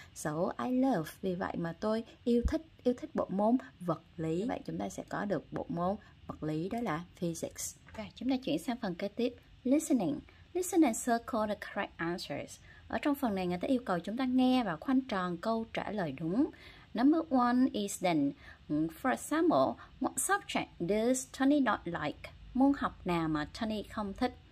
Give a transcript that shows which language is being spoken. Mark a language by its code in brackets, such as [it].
[en] So I love, [vi] vì vậy mà tôi yêu thích bộ môn vật lý. Như vậy chúng ta sẽ có được bộ môn vật lý đó là physics. [en] Okay, [vi] chúng ta chuyển sang phần kế tiếp. [en] Listening. Listen and circle the correct answers. [vi] Ở trong phần này người ta yêu cầu chúng ta nghe và khoanh tròn câu trả lời đúng. [en] Number one is then, for example, what subject does Tony not like? [vi] Môn học nào mà Tony không thích?